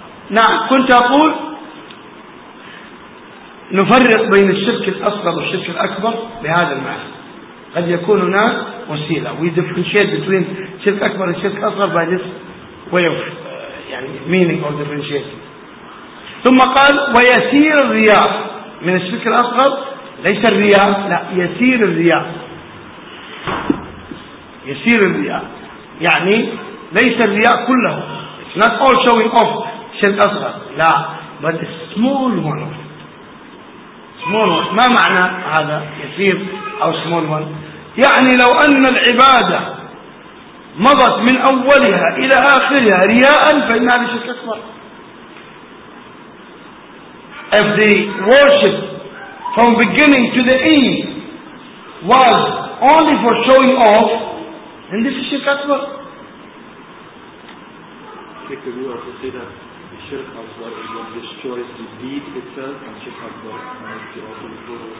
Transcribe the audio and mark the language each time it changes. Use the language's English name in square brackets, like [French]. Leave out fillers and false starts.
[Arabic] نعم كنت أقول نفرق بين الشرك الأصغر والشرك الأكبر بهذا المعنى. قد يكون هناك وسيلة. [English] We differentiate between [Arabic] الشرك الأكبر والشرك الأصغر [English] by this way of meaning or differentiation. [Arabic] ثم قال ويسير الرياء من الشرك الأصغر، ليس الرياء، لا يسير الرياء، يسير الرياء يعني ليس الرياء كله. [English] Not all showing off شرك أصغر، لا، but a small one of it. Small one. [Arabic] ما معنى هذا يسير أو [English] small one؟ [Arabic] يعني لو أن العبادة مضت من أولها إلى آخرها رياء فإن هذا شرك أكبر. [English] If the worship from beginning to the end was only for showing off, then this is شرك أكبر. Because we also say that the shirk aswar is what destroys the deed itself, and shirk aswar might be also the goal of